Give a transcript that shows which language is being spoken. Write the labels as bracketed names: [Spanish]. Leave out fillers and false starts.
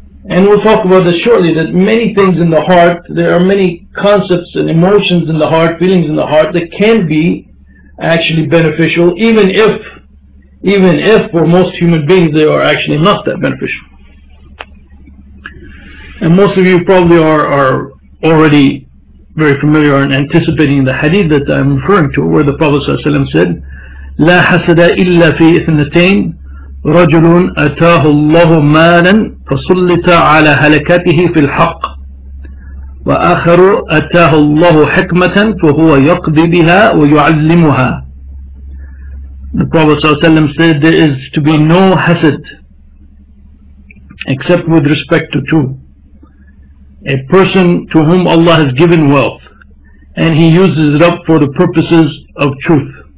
[English] And we'll talk about this shortly, that many things in the heart, there are many concepts and emotions in the heart, feelings in the heart, that can be actually beneficial, even if for most human beings they are actually not that beneficial. And most of you probably are already very familiar and anticipating the hadith that I'm referring to, where the Prophet ﷺ said, [Arabic] لَا حَسَدَ إِلَّا فِي إِثْنَتَيْنِ رَجُلٌ أَتَاهُ اللَّهُ مَالًا فَصُلِّتَ عَلَى هَلَكَتِهِ فِي الْحَقِّ وَآخَرُ أَتَاهُ اللَّهُ حِكْمَةً فَهُوَ يَقْضِي بِهَا وَيُعَلِّمُهَا. [English] The Prophet ﷺ said there is to be no hasad except with respect to two. A person to whom Allah has given wealth and he uses it up for the purposes of truth.